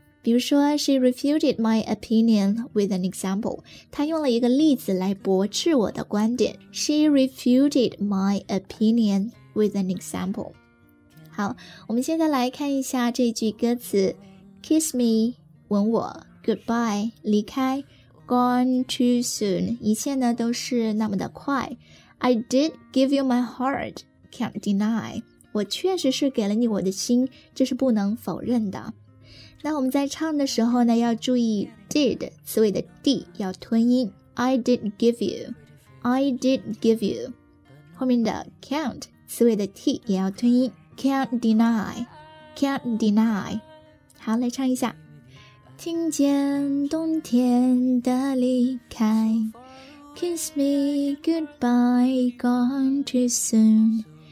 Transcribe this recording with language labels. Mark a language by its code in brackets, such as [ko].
[zh] 比如说 [en] She refuted my opinion with an example， [zh] 她用了一个例子来驳斥我的观点。 [en] She refuted my opinion with an example。 [zh] 好，我们现在来看一下这句歌词。Kiss me， 吻我， Goodbye， 离开， [en] Gone too soon， [zh] 一切呢都是那么的快。 [en] I did give you my heart， can't deny， [zh] 我确实是给了你我的心，这是不能否认的。那我们在唱的时候呢要注意 did 词尾的 d 要吞音。 [en] I did give you， I did give you， [zh] 后面的 [en] can't [zh] 词尾的 [en] t [zh] 也要吞音， [en] can't deny， can't deny。 [zh] 好，来唱一下。听见冬天的离开， [en] Kiss me goodbye gone too soon。